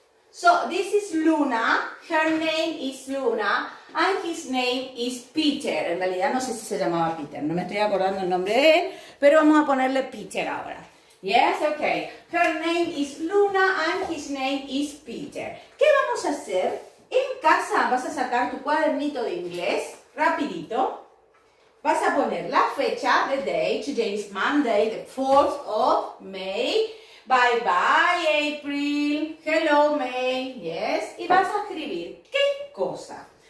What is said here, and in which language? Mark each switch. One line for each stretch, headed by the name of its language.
English: So this is Luna, her name is Luna. And his name is Peter.
Spanish: En realidad no sé si se llamaba Peter. No me estoy acordando el nombre de él. Pero vamos a ponerle Peter ahora.
English: Yes, okay. Her name is Luna and his name is Peter.
Spanish: ¿Qué vamos a hacer? En casa vas a sacar tu cuadernito de inglés. Rapidito. Vas a poner la fecha,
English: the day. Today is Monday, the 4th of May. Bye, bye, April. Hello, May. Yes.
Spanish: Y vas a escribir qué cosa.